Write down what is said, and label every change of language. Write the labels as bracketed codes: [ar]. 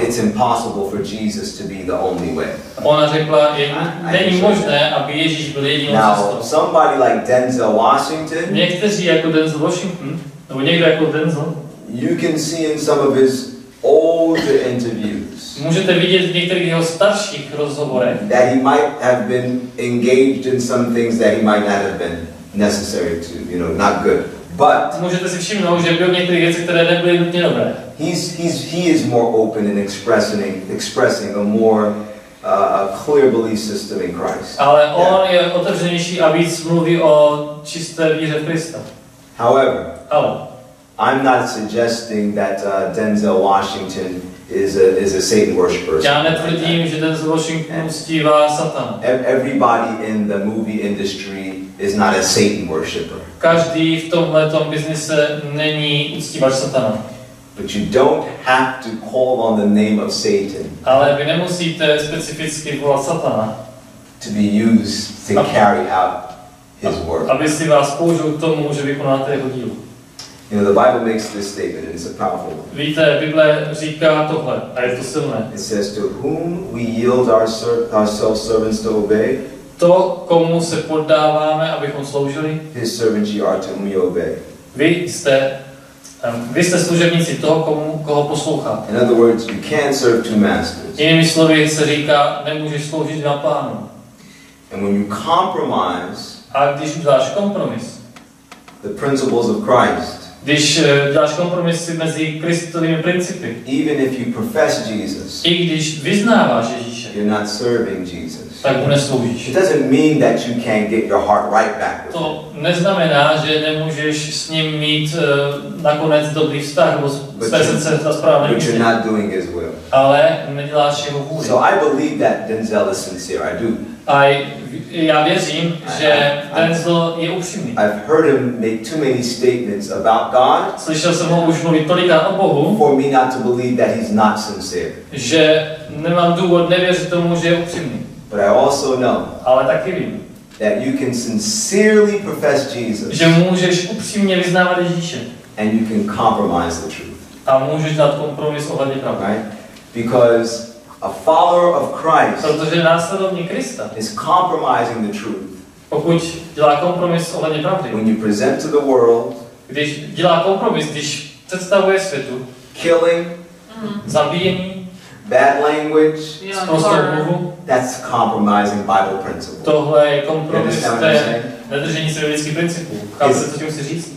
[en] It's impossible for Jesus to be the only way. [cs] Ona řekla, není možné, aby Ježíš byl jedinou cestou. [en] Now, somebody like Denzel Washington. [cs] Někteří jako Denzel Washington, nebo někdo jako Denzel. [en] You can see in some of his older interviews. [cs] Můžete vidět v některých jeho starších rozhovorech. [en] That he might have been engaged in some things that he might not have been necessary to, you know, not good. But [cs] můžete si všimnout, že byl některé věci, které nebyly nutně dobré. [en] He is more open in expressing a more a clear belief system in Christ. [cs] Ale on je otevřenější a víc mluví o čisté víře v Krista. [en] However. [cs] Ale [en] I'm not suggesting that Denzel Washington is a Satan worshipper. [cs] Já netvrdím, že Denzel Washington uctívá Satana. [en] Everybody in the movie industry is not a Satan worshipper. [cs] Každý v tomhle tom biznise není uctívač Satana. [en] But you don't have to call on the name of Satan. [cs] Ale vy nemusíte specificky volat Satana. [en] To be used to carry out his work. [cs] Aby si vás použil k tomu, že vykonáte jeho dílo. [en] You know, the Bible makes this statement, and it's a powerful one. [cs] Víte, Bible říká tohle, a je to silné. [en] It says, to whom we yield ourselves servants to obey, [cs] to, komu se poddáváme, abychom sloužili, [en] his servants ye are to whom you obey. [cs] Vy jste služebníci toho, koho posloucháte. [en] In other words, you can't serve two masters. [cs] Jinými slovy se říká, nemůžeš sloužit dvěma pánům. [en] And when you compromise, [cs] a když uděláš kompromis, [en] the principles of Christ, [cs] Když děláš kompromisy mezi Kristovými principy. [en] Even if you profess Jesus. [cs] I když vyznáváš Ježíše. [en] You're not serving Jesus. [cs] Tak mu nesloužíš. [en] It doesn't mean that you can't get your heart right back. [cs] To neznamená, že nemůžeš s ním mít nakonec dobrý vztah, své srdce za správné. [en] But you're not doing his will. [cs] Ale neděláš jeho vůli. [en] So I believe that Denzel is sincere. I do. [cs] Já věřím, že Denzel je upřímný. [en] I've heard him make too many statements about God. [cs] Slyšel jsem ho už mluvit tolikrát o Bohu. [en] For me not to believe that he's not sincere. [cs] Že nemám důvod nevěřit tomu, že je upřímný. [en] But I also know. [cs] Ale taky vím. [en] That you can sincerely profess Jesus. [cs] Že můžeš upřímně vyznávat Ježíše. [en] And you can compromise the truth. [cs] A můžeš dát kompromis ohledně pravdy. [en] Right? Because a follower of Christ is compromising the truth. [cs] Pokud dělá kompromis ohledně pravdy. [en] When you present to the world, [cs] když dělá kompromis, když představuje světu, [en] killing, [cs] zabíjení, [en] bad language, [cs] sprostou mluvu, [en] that's compromising Bible principle. [cs] Tohle je kompromis, to je nedržení biblických principů. Chápete, co tím chci říct?